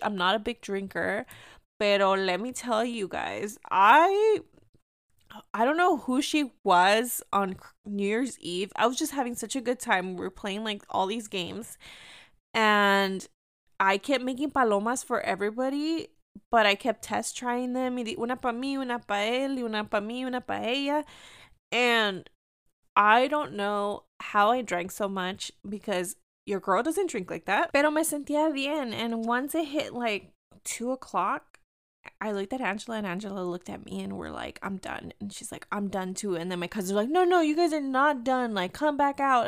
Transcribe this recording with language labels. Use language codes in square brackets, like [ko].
[en] I'm not a big drinker, pero let me tell you guys, I don't know who she was on New Year's Eve. I was just having such a good time. We were playing like all these games and I kept making palomas for everybody, but I kept test trying them. [es] Una pa' mí, una pa' él, una pa' mí, una pa' ella. [en] And I don't know how I drank so much because your girl doesn't drink like that. Pero me sentía bien. And once it hit like 2 o'clock, I looked at Angela and Angela looked at me and we're like, I'm done. And she's like, I'm done too. And then my cousins are like, no, you guys are not done. Like, come back out.